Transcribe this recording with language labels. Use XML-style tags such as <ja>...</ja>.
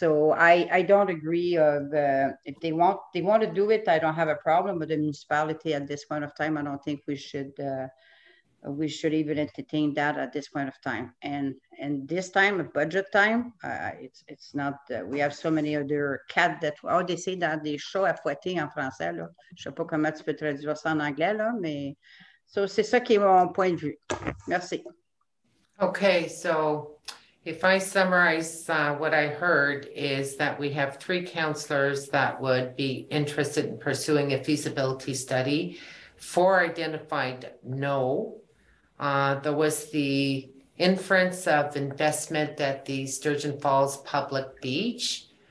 <en>So I don't agree of, if they want to do it, I don't have a problem with the municipality at this point of time. I don't think we should even entertain that at this point of time. And this time, at budget time, it's not, we have so many other cats that, oh, they say that they show</en> <fr>à fouetter en français, là. Je sais pas comment tu peux traduire ça en anglais, là, mais, so c'est ça qui est mon point de vue. Merci.</fr> <en>Okay, so if I summarize what I heard is that we have three counselors that would be interested in pursuing a feasibility study. Four identified no. There was the inference of investment at the Sturgeon Falls Public Beach.</en>